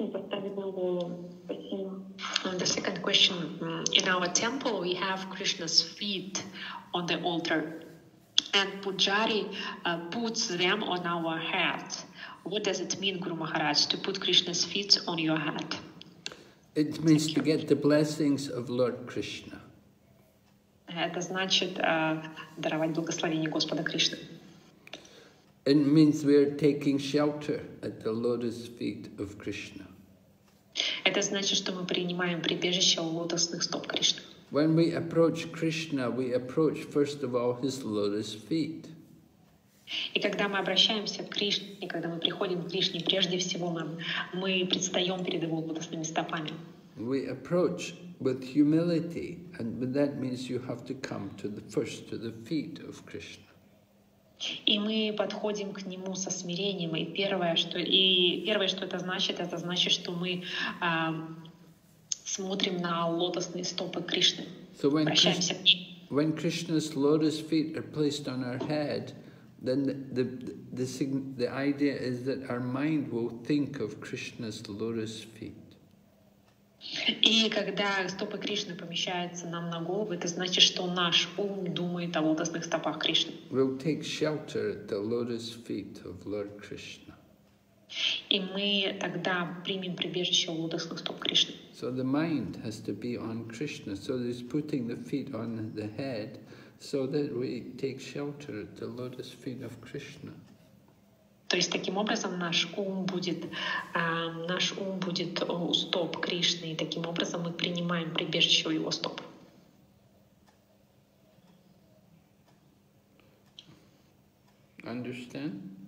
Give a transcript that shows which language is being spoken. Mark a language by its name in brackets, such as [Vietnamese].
[English] The second question, in our temple we have Krishna's feet on the altar and Pujari puts them on our head. What does it mean, Guru Maharaj, to put Krishna's feet on your head? It means to get the blessings of Lord Krishna. [Russian] Это значит даровать благословение Господа Кришны. [English] It means we are taking shelter at the lotus feet of Krishna. [Russian] Это значит, что мы принимаем прибежище у лотосных стоп Кришны. [English] When we approach Krishna, we approach first of all his lotus feet. [Russian] И когда мы обращаемся к Кришне, когда мы приходим к Кришне, прежде всего мы предстаем перед его лотосными стопами. [English] We approach with humility, and that means you have to come to the feet of Krishna. [Russian] И мы подходим к нему со смирением. И первое, что это значит, что мы смотрим на лотосные стопы Кришны. [English] So when Krishna's lotus feet are placed on our head, then the idea is that our mind will think of Krishna's lotus feet. [Russian] И когда стопы Кришны помещаются нам на голову, это значит, что наш ум думает о лотосных стопах Кришны. [English] We'll take shelter at the lotus feet of Lord Krishna. [Russian] И мы тогда примем прибежище у лотосных стоп Кришны. [English] So the mind has to be on Krishna. So he's putting the feet on the head so that we take shelter at the lotus feet of Krishna. [Russian] То есть таким образом наш ум будет у стоп Кришны, и таким образом мы принимаем прибежище у его стоп. [English] Understand?